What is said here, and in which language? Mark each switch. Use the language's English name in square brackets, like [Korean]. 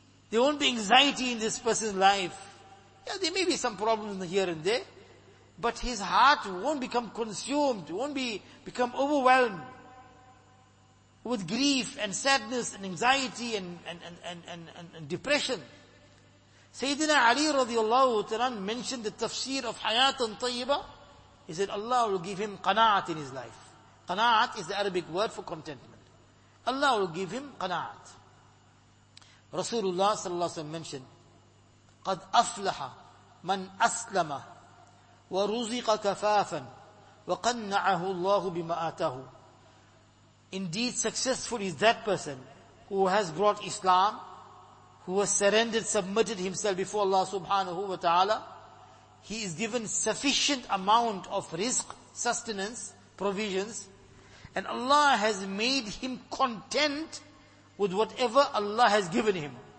[English] There won't be anxiety in this person's life. Yeah, there may be some problems here and there, but his heart won't become consumed, won't become overwhelmed with grief and sadness and anxiety and depression. Sayyidina Ali radiallahu ta'ala mentioned the tafsir of hayatun tayyiba. He said Allah will give him qana'at in his life. Qana'at is the Arabic word for contentment. Allah will give him qana'at. Rasulullah sallallahu alayhi wa sallam mentioned, [Arabic] قَدْ أَفْلَحَ مَنْ أَسْلَمَ وَرُزِقَ كَفَافًا وَقَنَّعَهُ اللَّهُ بِمَا آتَاهُ. [English] Indeed, successful is that person who has brought Islam, who has surrendered, submitted himself before Allah subhanahu wa ta'ala. He is given sufficient amount of rizq, sustenance, provisions, and Allah has made him content with whatever Allah has given him.